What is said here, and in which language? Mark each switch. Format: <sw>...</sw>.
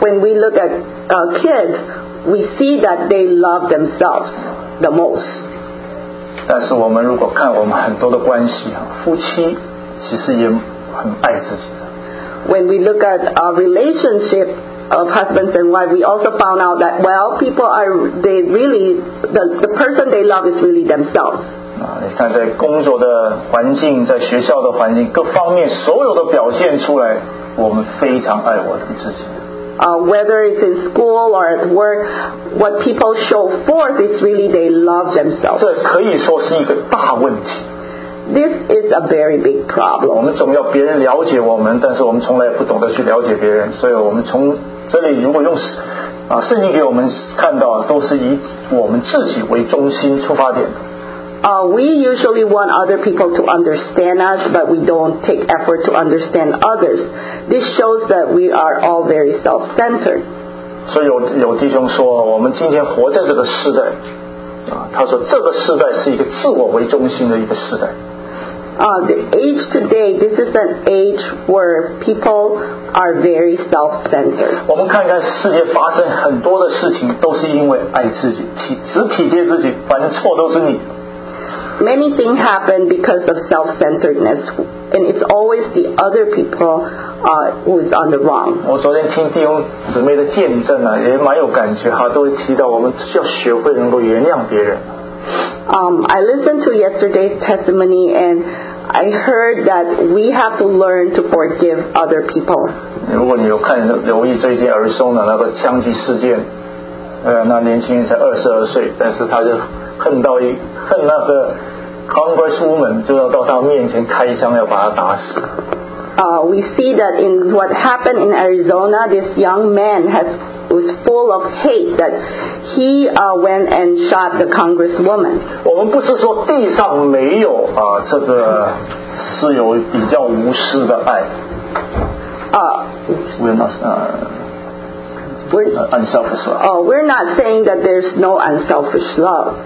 <en>When we look at kids, we see that they love themselves the most.</en> <zh>但是我们如果看我们很多的关系，夫妻其实也很爱自己。</zh> <en>When we look at our relationship of husbands and wives, we also found out that, well, people are, they really, the person they love is really themselves.</en> <zh>你看在工作的环境，在学校的环境，各方面所有的表现出来，我们非常爱我们自己。</zh> <en>Whether it's in school or at work, what people show forth is really they love themselves.</en> <zh>这可以说是一个大问题。</zh> <en>This is a very big problem.</en> <zh>我们总要别人了解我们，但是我们从来不懂得去了解别人。所以我们从这里如果用圣经给我们看到，都是以我们自己为中心出发点。</zh> <en>We usually want other people to understand us, but we don't take effort to understand others. This shows that we are all very self-centered.</en> <zh>所以有弟兄说，我们今天活在这个时代。他说这个时代是一个自我为中心的一个时代。</zh> <en>The age today, this is an age where people are very self-centered.</en> <zh>我们看看世界发生很多的事情，都是因为爱自己，只体贴自己，反正错都是你。</zh> <en>Many things happen because of self-centeredness, and it's always the other people who is on the wrong.</en> <zh>我昨天听弟兄姊妹的见证啊，也蛮有感觉哈，都会提到我们要学会能够原谅别人。</zh> <en>I listened to yesterday's testimony, and I heard that we have to learn to forgive other people.</en> <zh>如果你有看留意最近儿松的那个枪击事件，那年轻人才22岁，但是他就恨到一恨那个 congresswoman 就要到他面前开枪要把他打死。</zh> <en>We see that in what happened in Arizona, this young man was full of hate that he went and shot the congresswoman.</en> <zh>我们不是说地上没有这个是有比较无私的爱。</zh> <en>We're not saying that there's no unselfish love.</en>